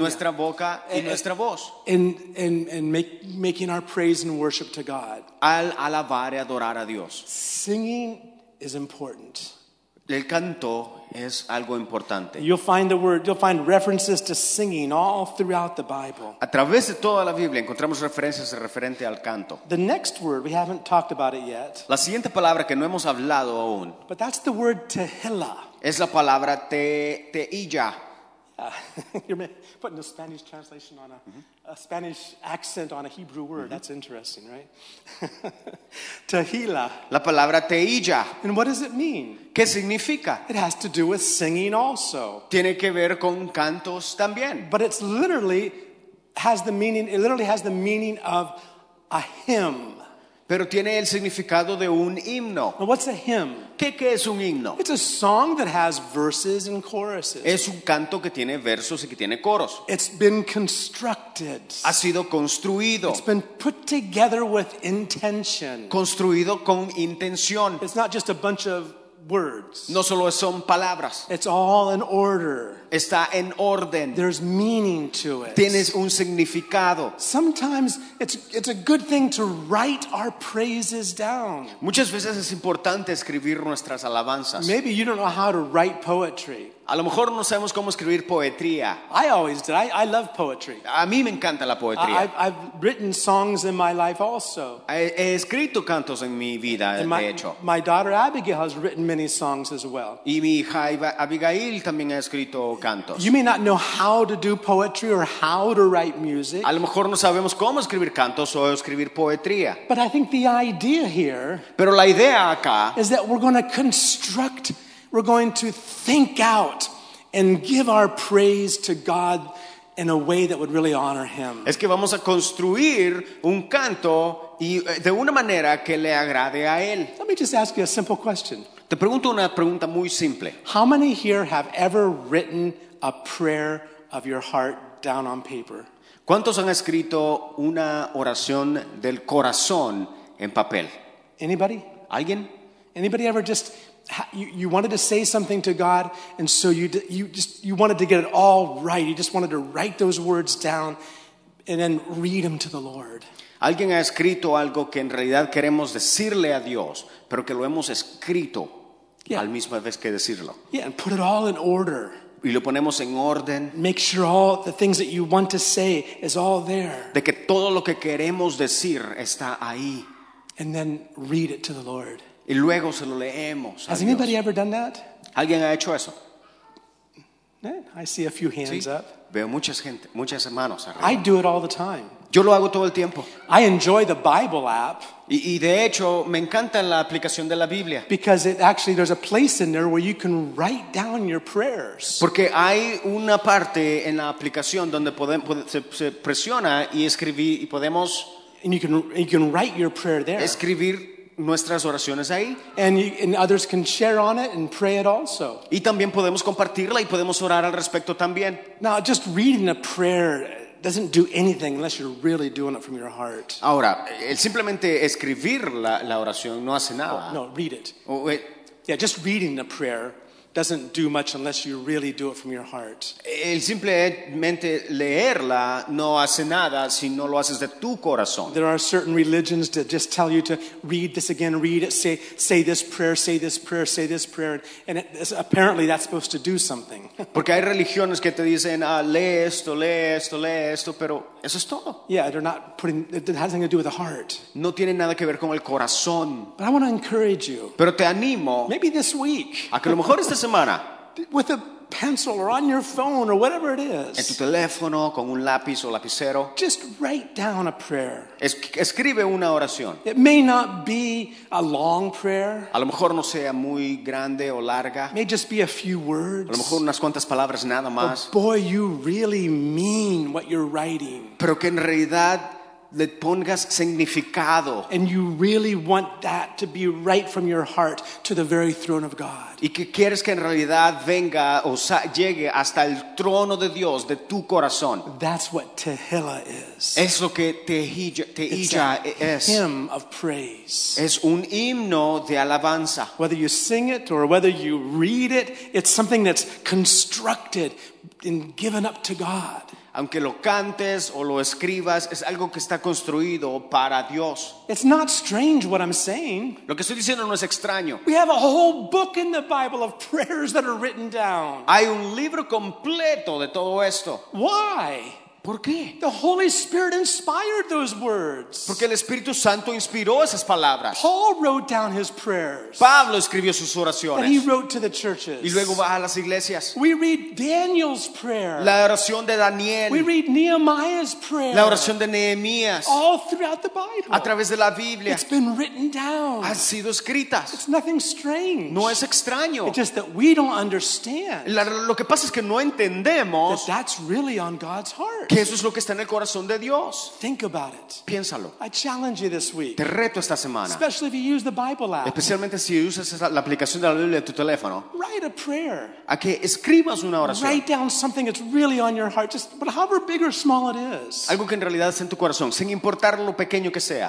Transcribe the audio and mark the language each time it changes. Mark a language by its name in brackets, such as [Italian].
[Spanish] nuestra boca y nuestra voz, [English] and making our praise and worship to God, [Spanish] al alabar y adorar a Dios. [English] Singing is important. [Spanish] El canto es algo importante. [English] You'll find references to singing all throughout the Bible. [Spanish] A través de toda la Biblia encontramos referencias referente al canto. [English] The next word, we haven't talked about it yet. [Spanish] La siguiente palabra que no hemos hablado aún. [English] But that's the word Tehillah. [Spanish] Es la palabra Tehillah. [English] You're putting a Spanish translation on a Spanish accent on a Hebrew word. Mm-hmm. That's interesting, right? Tehillah. [Spanish] La palabra Tehillah. [English] And what does it mean? [Spanish] ¿Qué significa? [English] It has to do with singing also. [Spanish] Tiene que ver con cantos también. [English] But it's literally has the meaning, it literally has the meaning of a hymn. [Spanish] Pero tiene el significado de un himno. [English] Now what's a hymn? [Spanish] ¿Qué es un himno? [English] It's a song that has verses and choruses. [Spanish] Es un canto que tiene versos y que tiene coros. [English] It's been constructed. [Spanish] Ha sido construido. [English] It's been put together with intention. [Spanish] Construido con intención. [English] It's not just a bunch of words. [Spanish] No solo son palabras. [English] It's all in order. [Spanish] Está en orden. [English] There's meaning to it. [Spanish] Tienes un significado. [English] Sometimes it's a good thing to write our praises down. [Spanish] Muchas veces es importante escribir nuestras alabanzas. [English] Maybe you don't know how to write poetry. [Spanish] A lo mejor no sabemos cómo escribir poetría. [English] I always did. I love poetry. [Spanish] A mí me encanta la poetría. [English] I've written songs in my life also. [Spanish] He escrito cantos en mi vida, [English] my, [Spanish] de hecho. [English] My daughter Abigail has written many songs as well. [Spanish] Y mi hija Abigail también ha escrito. [English] You may not know how to do poetry or how to write music. [Spanish] A lo mejor no sabemos cómo escribir cantos o escribir poetría. [English] But I think the idea here, [Spanish] pero la idea acá, [English] is that we're going to construct, we're going to think out and give our praise to God in a way that would really honor him. [Spanish] Es que vamos a construir un canto y de una manera que le agrade a él. [English] Let me just ask you a simple question. [Spanish] Te pregunto una pregunta muy simple. [English] How many here have ever written a prayer of your heart down on paper? [Spanish] ¿Cuántos han escrito una oración del corazón en papel? [English] Anybody? [Spanish] ¿Alguien? [English] Anybody ever just you wanted to say something to God and so you wanted to get it all right. You just wanted to write those words down and then read them to the Lord. [Spanish] Alguien ha escrito algo que en realidad queremos decirle a Dios, pero que lo hemos escrito al mismo vez que decirlo. [English] Yeah, and put it all in order. [Spanish] Y lo ponemos en orden. [English] Make sure all the things that you want to say is all there. [Spanish] De que todo lo que queremos decir está ahí. [English] And then read it to the Lord. [Spanish] Y luego se lo leemos a [English] Dios. Has anybody ever done that? [Spanish] ¿Alguien ha hecho eso? [English] I see a few hands up. [Spanish] Veo muchas manos arriba. [English] I do it all the time. [Spanish] Yo lo hago todo el tiempo. [English] I enjoy the Bible app. [Spanish] Y de hecho, me encanta la aplicación de la Biblia. [English] Because it actually there's a place in there where you can write down your prayers. [Spanish] Porque hay una parte en la aplicación donde se presiona y escribir y podemos. [English] And you can write your prayer there. [Spanish] Escribir nuestras oraciones ahí. [English] And others can share on it and pray it also. [Spanish] Y también podemos compartirla y podemos orar al respecto también. [English] Now, just reading a prayer doesn't do anything unless you're really doing it from your heart. [Spanish] Ahora, el simplemente escribir la oración no hace nada. [English] Oh, no, read it. Oh, wait. Yeah, just reading a prayer doesn't do much unless you really do it from your heart. [Spanish] El simplemente leerla no hace nada si no lo haces de tu corazón. [English] There are certain religions that just tell you to read this again, read it, say this prayer, say this prayer, say this prayer, and apparently that's supposed to do something. [Spanish] Porque hay religiones que te dicen, lee esto, lee esto, lee esto, pero eso es todo. [English] Yeah, they're not putting, it has nothing to do with the heart. [Spanish] No tiene nada que ver con el corazón. [English] But I want to encourage you. [Spanish] Pero te animo. [English] Maybe this week. [Spanish] A que a lo mejor semana. [English] With a pencil or on your phone or whatever it is. [Spanish] En tu teléfono, con un lápiz o lapicero. [English] Just write down a prayer. [Spanish] Escribe una oración. [English] It may not be a long prayer. [Spanish] A lo mejor no sea muy grande o larga. [English] It may just be a few words. [Spanish] A lo mejor unas cuantas palabras nada más. [English] But boy, you really mean what you're writing. [Spanish] Pero que en realidad le pongas significado. [English] And you really want that to be right from your heart to the very throne of God. [Spanish] Y que quieres que en realidad venga o sea, llegue hasta el trono de Dios de tu corazón. [English] That's what Tehillah is. [Spanish] Es lo que Tehillah es. [English] Hymn of praise. [Spanish] Es un himno de alabanza. [English] Whether you sing it or whether you read it, it's something that's constructed and given up to God. [Spanish] Aunque lo cantes o lo escribas, es algo que está construido para Dios. [English] It's not strange what I'm saying. [Spanish] Lo que estoy diciendo no es extraño. [English] We have a whole book in the Bible of prayers that are written down. [Spanish] Hay un libro completo de todo esto. [English] Why? [Spanish] ¿Por qué? [English] The Holy Spirit inspired those words. [Spanish] Porque el Espíritu Santo inspiró esas palabras. [English] Paul wrote down his prayers. [Spanish] Pablo escribió sus oraciones. [English] And he wrote to the churches. [Spanish] Y luego va a las iglesias. [English] We read Daniel's prayer. [Spanish] La oración de Daniel. [English] We read Nehemiah's prayer. [Spanish] La oración de Nehemías. [English] All throughout the Bible. [Spanish] A través de la Biblia. [English] It's been written down. [Spanish] Han sido escritas. [English] It's nothing strange. [Spanish] No es extraño. [English] It's just that we don't understand. [Spanish] Lo que pasa es que no entendemos. [English] That that's really on God's heart. [Spanish] Que eso es lo que está en el corazón de Dios. [English] Think about it. [Spanish] Piénsalo. [English] I challenge you this week. [Spanish] Te reto esta semana. [English] Especially if you use the Bible app. [Spanish] Especialmente si usas la aplicación de la Biblia en tu teléfono. [English] Write a prayer. [Spanish] A que escribas una oración. [English] Write down something that's really on your heart, just but however big or small it is. [Spanish] Algo que en realidad está en tu corazón, sin importar lo pequeño que sea.